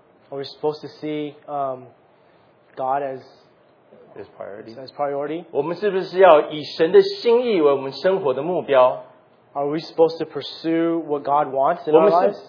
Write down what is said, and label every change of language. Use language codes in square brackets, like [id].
[en] Are we supposed to see God as priority? As priority? [zh] 我们是不是要以神的心意为我们生活的目标? [en] Are we supposed to pursue what God wants in our lives?